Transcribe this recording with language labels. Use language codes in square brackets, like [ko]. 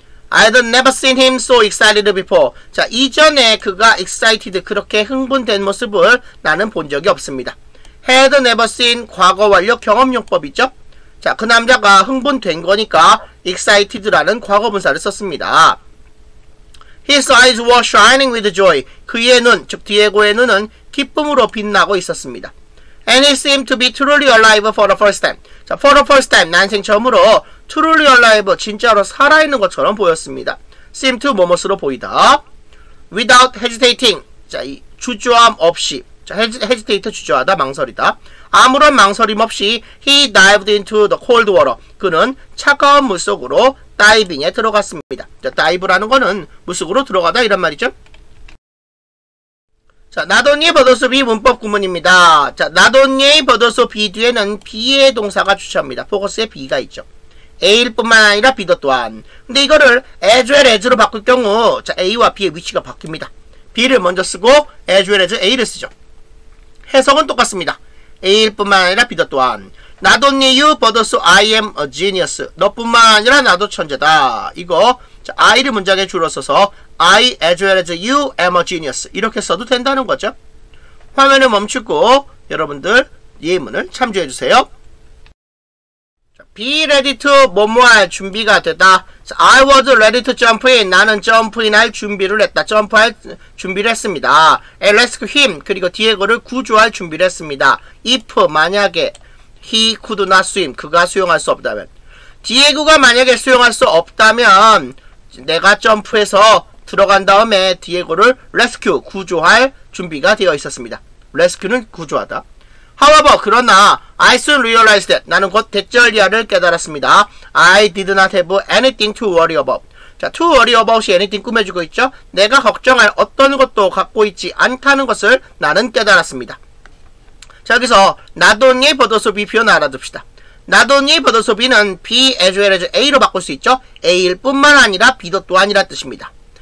[en] I had never seen him so excited before. [ko] 자, 이전에 그가 excited, 그렇게 흥분된 모습을 나는 본 적이 없습니다. [en] Had never seen, [ko] 과거완료 경험용법이죠. 자, 그 남자가 흥분된 거니까 excited라는 과거분사를 썼습니다. [en] His eyes were shining with joy. [ko] 그의 눈, 즉 디에고의 눈은 기쁨으로 빛나고 있었습니다. [en] And he seemed to be truly alive for the first time. [ko] 자, [en] for the first time, [ko] 난생 처음으로 [en] Truly alive, [ko] 진짜로 살아있는 것처럼 보였습니다. [en] Seem to, [ko] 뭐뭐스로 보이다. [en] Without hesitating, [ko] 자, 이 주저함 없이, 자, hesitate, 주저하다, 망설이다. 아무런 망설임 없이, [en] he dived into the cold water. [ko] 그는 차가운 물속으로 다이빙에 들어갔습니다. 자, dive라는 거는 물속으로 들어가다, 이런 말이죠. 자, not only but also be 문법 구문입니다. 자, not only but also be 뒤에는 be의 동사가 주차합니다. 포커스에 be가 있죠. A일 뿐만 아니라 B도 또한. 근데 이거를 as well as로 바꿀 경우, 자, A와 B의 위치가 바뀝니다. B를 먼저 쓰고 as well as A를 쓰죠. 해석은 똑같습니다. A일 뿐만 아니라 B도 또한. [en] Not only you but also I am a genius. [ko] 너뿐만 아니라 나도 천재다. 이거 자, I를 문장에 줄여 써서 [en] I as well as you am a genius. [ko] 이렇게 써도 된다는 거죠. 화면을 멈추고 여러분들 예문을 참조해 주세요. [en] Be ready to [ko] 뭐뭐할 준비가 되다. [en] I was ready to jump in. [ko] 나는 jump in 할 준비를 했다. Jump 할 준비를 했습니다. [en] And rescue him. [ko] 그리고 Diego를 구조할 준비를 했습니다. If 만약에 [en] he could not swim. [ko] 그가 수영할 수 없다면. Diego가 만약에 수영할 수 없다면 내가 점프해서 들어간 다음에 Diego를 rescue, 구조할 준비가 되어 있었습니다. [en] Rescue는 [ko] 구조하다. [en] However, [ko] 그러나 [en] I soon realized that. [ko] 나는 곧 대절이야를 깨달았습니다. [en] I did not have anything to worry about. [ko] 자, to worry about이 anything 꾸며주고 있죠. 내가 걱정할 어떤 것도 갖고 있지 않다는 것을 나는 깨달았습니다. 자, 여기서 not only but also be 표현 알아둡시다. not only but also be는 be as well as a로 바꿀 수 있죠. a일 뿐만 아니라 b도 또한이라 뜻입니다.